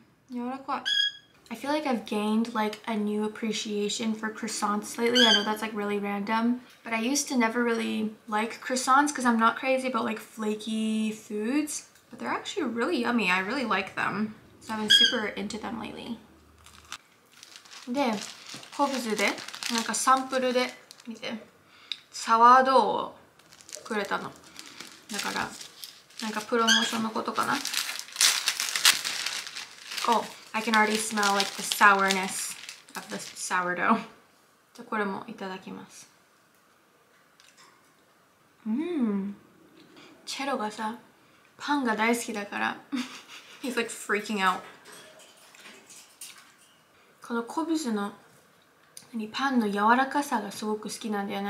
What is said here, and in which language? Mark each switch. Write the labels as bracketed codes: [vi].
[ja] 柔らかい。 [en] I feel like I've gained like a new appreciation for croissants lately. I know that's like really random, but I used to never really like croissants because I'm not crazy about like flaky foods, but they're actually really yummy. I really like them. So I've been super into them lately. [ja] で、コブズで、なんかサンプルで見て、サワードをくれたの。だから、なんかプロモーションのことかな。 [en] Oh, I can already smell like the sourness of the sourdough. [ja] じゃあこれもいただきます。チェロがさ、パンが大好きだから [en] He's like freaking out. [ja] このコブスの何パンの柔らかさがすごく好きなんだよね。